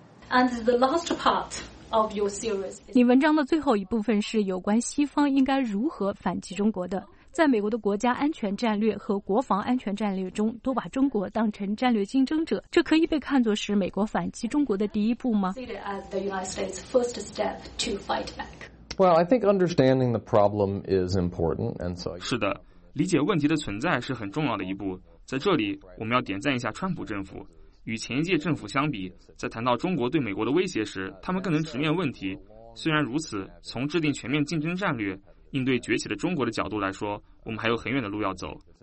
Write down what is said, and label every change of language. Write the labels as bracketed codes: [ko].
[en] And the last part of your series. [zh] 你文章的最后一部分是有关西方应该如何反击中国的。在美国的国家安全战略和国防安全战略中，都把中国当成战略竞争者，这可以被看作是美国反击中国的第一步吗？ [en] Well, I think understanding the problem is important, and so [zh] 是的，理解问题的存在是很重要的一步。在这里，我们要点赞一下川普政府。与前一届政府相比，在谈到中国对美国的威胁时，他们更能直面问题。虽然如此，从制定全面竞争战略、应对崛起的中国的角度来说，我们还有很远的路要走。